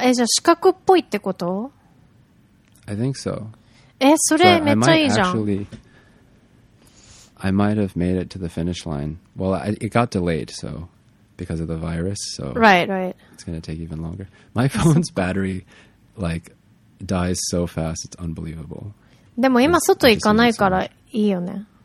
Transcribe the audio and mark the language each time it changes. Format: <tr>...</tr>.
<ja>じゃあ四角っぽいってこと?</ja> <en>I think so.</en> <ja>それめっちゃいいじゃん。</ja> <en>Actually, I might have made it to the finish line. Well, it got delayed, so... because of the virus, so right. It's going to take even longer. My phone's battery, like, dies so fast, it's unbelievable.</en> <ja>でも今外行かないからいいよね。</ja>